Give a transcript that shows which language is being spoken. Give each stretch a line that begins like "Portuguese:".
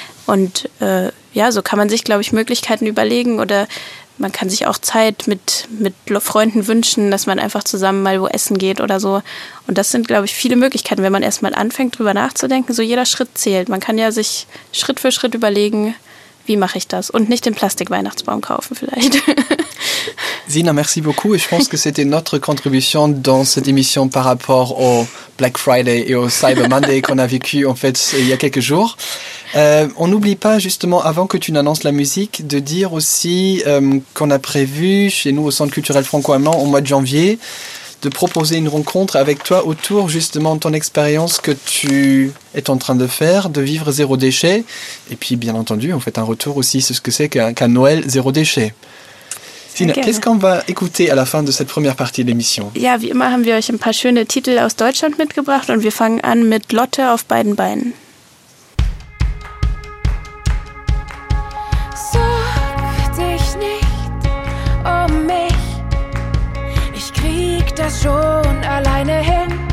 German: Und so kann man sich, glaube ich, Möglichkeiten überlegen oder man kann sich auch Zeit mit Freunden wünschen, dass man einfach zusammen mal wo essen geht oder so. Und das sind, glaube ich, viele Möglichkeiten, wenn man erstmal anfängt, drüber nachzudenken. So jeder Schritt zählt. Man kann ja sich Schritt für Schritt überlegen, wie mache ich das? Und nicht den Plastik-Weihnachtsbaum kaufen vielleicht.
French: Sina, merci beaucoup. Ich pense que c'était notre contribution dans cette émission par rapport au Black Friday et au Cyber Monday qu'on a vécu en fait il y a quelques jours. On n'oublie pas justement, avant que tu n'annonces la musique, de dire aussi qu'on a prévu chez nous au Centre culturel franco-allemand au mois de janvier de proposer une rencontre avec toi autour justement de ton expérience que tu es en train de faire, de vivre zéro déchet. Et puis bien entendu, en fait, un retour aussi sur ce que c'est qu'un Noël zéro déchet. Sina, qu'est-ce qu'on va écouter à la fin de cette première partie de l'émission?
German: Ja, wie immer haben wir euch ein paar schöne Titel aus Deutschland mitgebracht und wir fangen an mit Lotte auf beiden Beinen. Sorg dich nicht um mich, ich krieg das schon alleine hin.